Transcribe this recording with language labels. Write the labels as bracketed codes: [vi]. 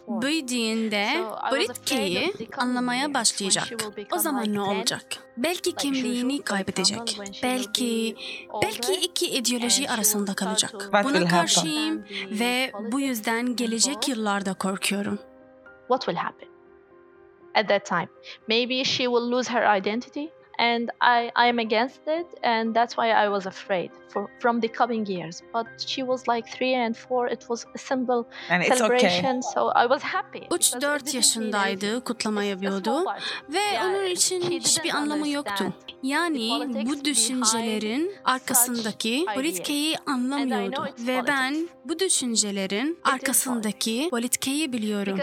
[tr] Büyüdüğünde Britke'yi anlamaya başlayacak. O zaman ne olacak? Belki kimliğini kaybedecek. Belki iki ideoloji arasında kalacak. Buna karşıyım ve bu yüzden gelecek yıllarda korkuyorum. [en] What will happen at that time? Maybe she will lose her identity and I am against it and that's why I was afraid for from the coming years, but she was like 3 and 4, it was a simple and celebration, okay. So I was happy. [tr] 3-4 yaşındaydı, kutlama yapıyordu ve yeah, onun için hiçbir anlamı yoktu. Yani bu düşüncelerin arkasındaki politikayı anlamıyordu ve ben bu düşüncelerin arkasındaki politikayı biliyorum.